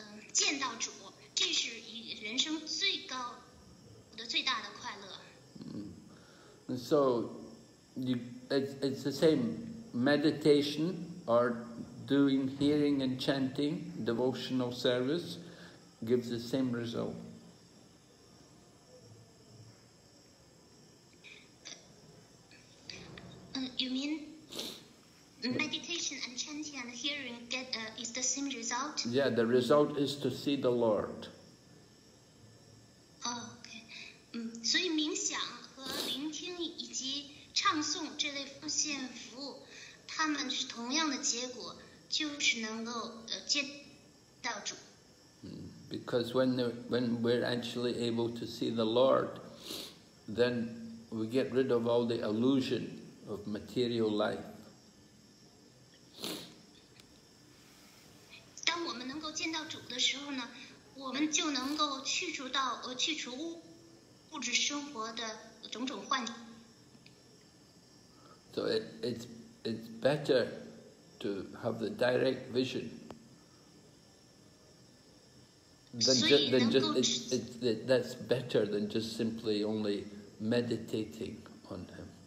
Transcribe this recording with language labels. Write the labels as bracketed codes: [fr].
[zh] 见到主，这是人生最高的最大的快乐。 [en] So, it's the same meditation or doing hearing and chanting devotional service gives the same result. 云明。 Meditation and chanting and hearing is the same result? Yeah, the result is to see the Lord. Okay. [zh] 所以冥想和聆听以及唱诵这类奉献服务，他们是同样的结果，就是能够见到主。 [en] Because when we're actually able to see the Lord, then we get rid of all the illusion of material life. [zh] 见到主的时候呢，我们就能够去除物质生活的种种幻觉。 [en] So it's better to have the direct vision. that's better than just simply only meditating on him.